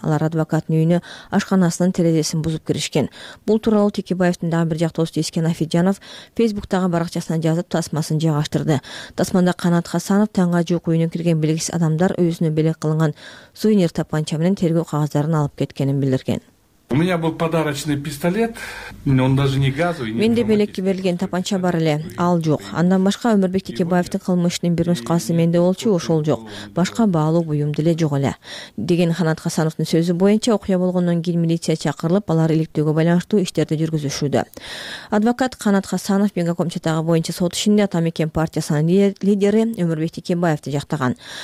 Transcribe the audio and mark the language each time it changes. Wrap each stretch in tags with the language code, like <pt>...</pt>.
<ky>Алар адвокаттын үйүнө ашканасынын терезесин бузуп киришкен. Бул тууралуу Текебаевдин дагы бир жак досту Искен Афиджанов Facebook-тагы баракчасына жазып, тасмасын жайгаштырды. Тасманда Канат Хасанов таңга жуук үйүнө кирген белгисиз адамдар өзүнө белек кылынган сувенир тапанча менен тергөө кагаздарын алып кеткенин билдирген.</ky> <ru>У меня был подарочный пистолет, но он даже не газовый.</ru> <ky>Менде белекке берилген тапанча бар эле, ал жок. Андан башка Өмүрбек Текебаевдин кылмышынын бир нускасы менде болчу, ошол жок. Башка баалуу буюм деле жок эле. Деген Ханат Хасановдун сөзү боюнча, окуя болгондон кийин милиция чакырылып, алар иликтөөгө байланыштуу иштерди жүргүзүшүүдө. Адвокат Канат Хасанов Мегаком чатагы боюнча сот ишинде Атамекен партиясынын лидери Өмүрбек Текебаевди жактаган.</ky>